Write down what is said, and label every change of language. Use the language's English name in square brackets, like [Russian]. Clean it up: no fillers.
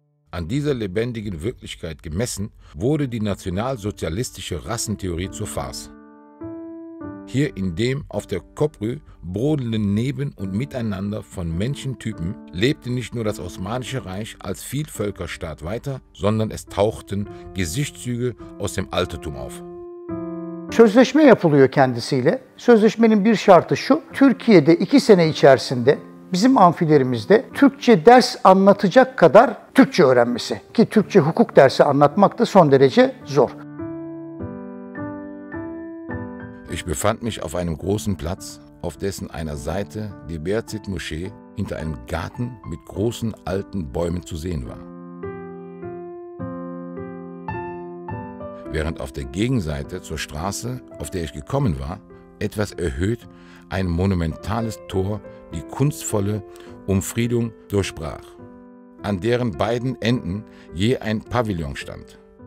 [German] An dieser lebendigen Wirklichkeit gemessen, wurde die nationalsozialistische Rassentheorie zur Farce. Hier in dem auf der Köprü brodelnden Neben- und Miteinander von Menschentypen lebte nicht nur das Osmanische Reich als Vielvölkerstaat weiter, sondern es tauchten Gesichtszüge aus dem Altertum auf. [Turkish] Sözleşme yapılıyor kendisiyle. Sözleşmenin bir şartı şu, Türkiye'de iki sene içerisinde bizim amfilerimizde Türkçe ders anlatacak kadar Türkçe öğrenmesi. Ki Türkçe hukuk dersi anlatmak da son derece zor. [German] Ich befand mich auf einem großen Platz, auf dessen einer Seite die Beyazit-Moschee hinter einem Garten mit großen alten Bäumen zu sehen war. Während auf der Gegenseite zur Straße, auf der ich gekommen war, etwas erhöht ein monumentales Tor die kunstvolle Umfriedung durchbrach, an deren beiden Enden je ein Pavillon stand.